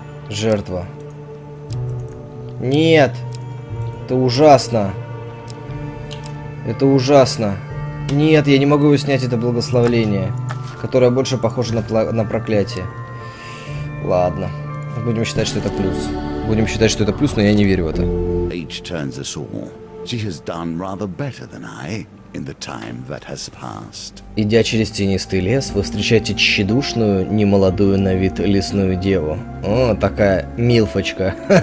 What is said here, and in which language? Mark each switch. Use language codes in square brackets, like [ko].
[ru] Жертва. Нет. Это ужасно. Это ужасно. Нет, я не могу снять это благословение, которое больше похоже на проклятие. Ладно. Будем считать, что это плюс. Будем считать, что это плюс, но я не верю в это. [en] Each turns us all. She has done rather better than I in the time that has passed. [ru] Идя через тенистый лес, вы встречаете тщедушную, немолодую на вид лесную деву. О, такая милфочка.